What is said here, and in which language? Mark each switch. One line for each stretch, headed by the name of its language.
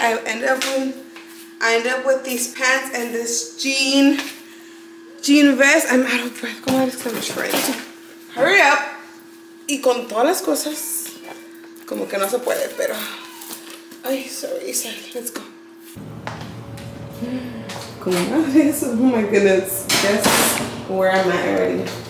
English: I ended up with these pants and this jean vest. I'm out of breath.
Spanish: Como les,
English: I'm trying. Hurry up.
Spanish: Y con todas las cosas, como que no se puede, pero.
English: Ay, sorry, Isa. Let's go. Comadres, oh my goodness, guess where I'm at already.